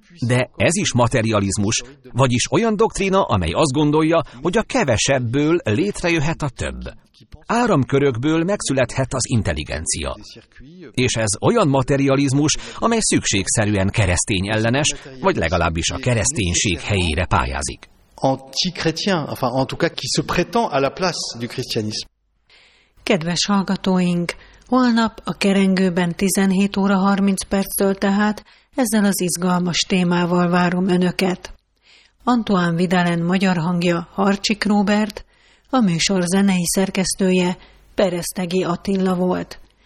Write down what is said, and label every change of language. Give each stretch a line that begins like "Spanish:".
Hungarian: De ez is materializmus, vagyis olyan doktrína, amely azt gondolja, hogy a kevesebből létrejöhet a több. Áramkörökből megszülethet az intelligencia. És ez olyan materializmus, amely szükségszerűen keresztény ellenes, vagy legalábbis a kereszténység helyére pályázik.
French: Antikretien, enfin en tout cas qui se prétend à la place du christianisme.
Hungarian: Kedves hallgatóink, holnap a Kerengőben 17 óra 30 perctől tehát ezzel az izgalmas témával várom önöket. Antoine Vidalen magyar hangja Harcsik Róbert, a műsor zenei szerkesztője Peresztegi Attila volt.